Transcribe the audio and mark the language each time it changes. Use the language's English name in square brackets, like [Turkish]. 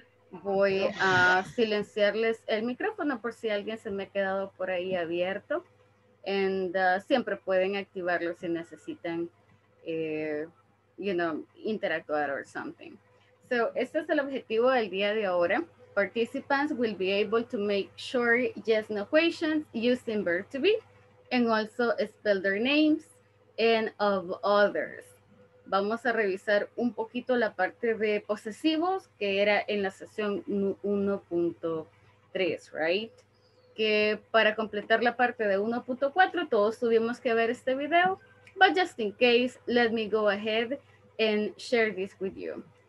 [Spanish] Voy a silenciarles el micrófono por si alguien se me ha quedado por ahí abierto. [English] And [Spanish] siempre pueden activarlo si necesitan, [English] you know, [Spanish] interactuar [English] or something. So, [Spanish] este es el objetivo del día de ahora. [English] Participants will be able to make short yes-no questions using verb to be and also spell their names and of others. [Spanish] Vamos a revisar un poquito la parte de posesivos que era en la sesión 1.3, [English] right? [Spanish] Que para completar la parte de 1.4 todos tuvimos que ver este video. [English] But just in case, let me go ahead and share this with you.